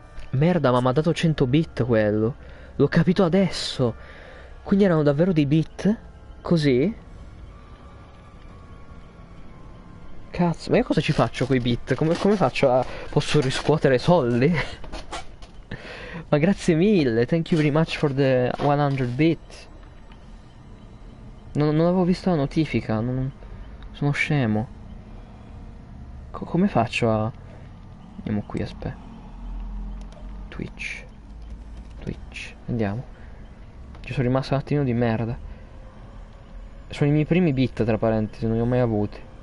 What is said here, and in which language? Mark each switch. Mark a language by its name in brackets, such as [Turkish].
[Italian] Merda, ma mi ha dato 100 bit quello. L'ho capito adesso. Quindi erano davvero dei bit? Così? Cazzo, ma io cosa ci faccio coi bit? Come faccio a... Posso riscuotere soldi? Ma grazie mille, [English] thank you very much for the 100 bit. [Italian] Non avevo visto la notifica, non... Sono scemo. Come faccio a... Andiamo qui, aspetta. Twitch. Twitch. Andiamo. Ci sono rimasto un attimino di merda. Sono i miei primi bit, tra parentesi, non li ho mai avuti.